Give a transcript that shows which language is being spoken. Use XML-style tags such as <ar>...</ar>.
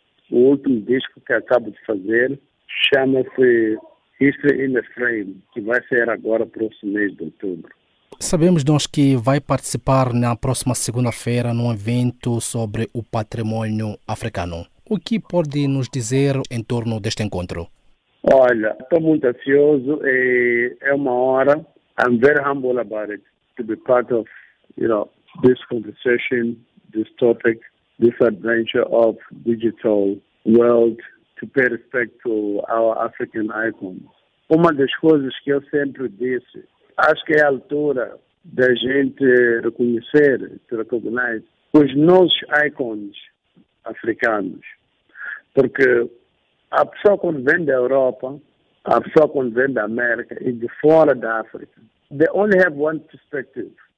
<pt>O último disco que acabo de fazer chama-se History in the Frame, que vai sair agora, próximo mês de outubro. Sabemos nós que vai participar na próxima segunda-feira num evento sobre o patrimônio africano. O que pode nos dizer em torno deste encontro? Olha, estou muito ansioso. É uma hora.</pt> <en>I'm very humble about it, to be part of, you know, this conversation, this topic, this adventure of digital world, to pay respect to our African icons.</en> <pt>Uma das coisas que eu sempre disse, acho que é a altura da gente reconhecer,</pt> <en>to recognize,</en> <pt>os nossos icons africanos. Porque a pessoa quando vem da Europa, a pessoa quando vem da América e de fora da África,</pt> <en>they only have one perspective.</en>